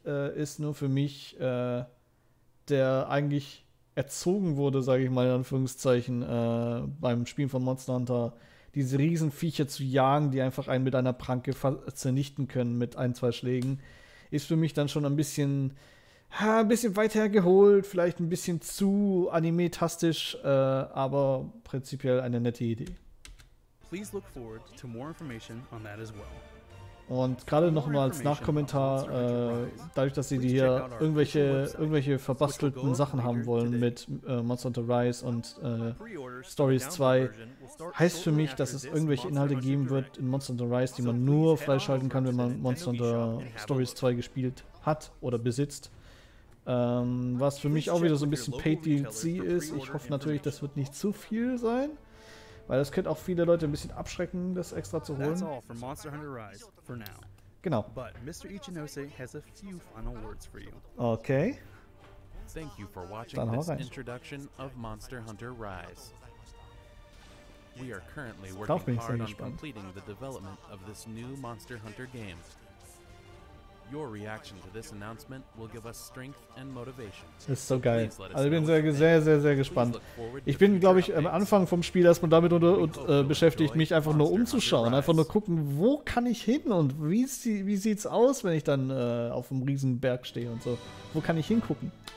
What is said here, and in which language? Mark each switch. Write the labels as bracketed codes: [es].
[de] Ist nur für mich... der eigentlich erzogen wurde, sage ich mal in Anführungszeichen, beim Spielen von Monster Hunter, diese riesen Viecher zu jagen, die einfach einen mit einer Pranke vernichten können mit ein, zwei Schlägen, ist für mich dann schon ein bisschen weit hergeholt, vielleicht ein bisschen zu anime-tastisch, aber prinzipiell eine nette Idee. [en] Please look forward to more information on that as well. [de] Und gerade nochmal als Nachkommentar, dadurch, dass sie die hier irgendwelche verbastelten Sachen haben wollen mit Monster Hunter Rise und Stories 2, heißt für mich, dass es irgendwelche Inhalte geben wird in Monster Hunter Rise, die man nur freischalten kann, wenn man Monster Hunter Stories 2 gespielt hat oder besitzt. Was für mich auch wieder so ein bisschen Paid DLC ist. Ich hoffe natürlich, das wird nicht zu viel sein. Weil das könnte auch viele Leute ein bisschen abschrecken, das extra zu holen. [en] That's all for Monster Hunter Rise for now. [de] Genau. [en] But Mr. Ichinose has a few final words for you. [de] Okay. [en] Thank you for watching this introduction of Monster Hunter Rise. We are currently working hard on completing the development of this new Monster Hunter game. Your reaction to this announcement will give us strength and motivation. [de] Das ist so geil. Also ich bin sehr, sehr, sehr, sehr gespannt. Ich bin, glaube ich, am Anfang vom Spiel erstmal damit beschäftigt, mich einfach nur umzuschauen. Einfach nur gucken, wo kann ich hin und wie sieht's aus, wenn ich dann auf einem riesen Berg stehe und so. Wo kann ich hingucken?